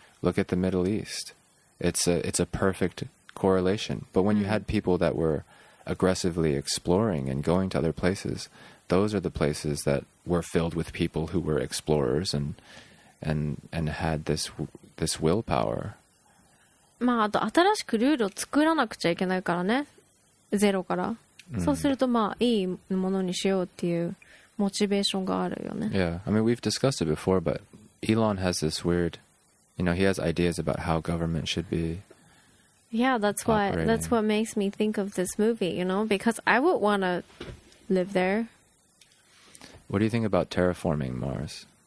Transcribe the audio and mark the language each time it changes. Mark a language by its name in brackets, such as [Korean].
[English] Look at the Middle East. It's a perfect correlation. But when you had people that were aggressively exploring and going to other places, those are the places that were filled with people who were explorers and had this willpower. [Japanese] まあ、あと新しくルールを作らなくちゃいけないからね。ゼロから。そうすると、まあ、いいものにしようっていうモチベーションがあるよね。 [English] Yeah, I mean, we've discussed it before, but Elon has this weird, you know, he has ideas about how government should be operating. Yeah, that's what makes me think of this movie, you know, because I would want to live there. What do you think about terraforming Mars?